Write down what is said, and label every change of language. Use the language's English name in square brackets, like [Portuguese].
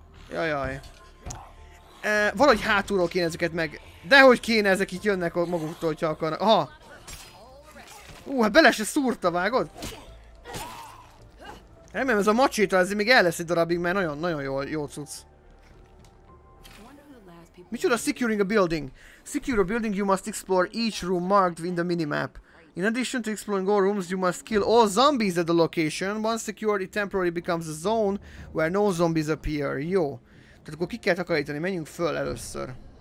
[Hungarian] Jajaj. Valahogy hátulról kéne ezeket meg. Dehogy kéne, ezek itt jönnek maguktól, hogyha akarnak. Aha. Hát bele se szúrta, vágod? Remélem ez a macsita, ez még el lesz egy darabig, mert nagyon-nagyon jó cucc. Micsoda [English] securing a building? Secure a building, you must explore each room marked in the minimap. In addition to exploring all rooms, you must kill all zombies at the location. Once secured, it temporarily becomes a zone where no zombies appear. [Hungarian] Jó. Tehát akkor ki kell takarítani, menjünk föl először.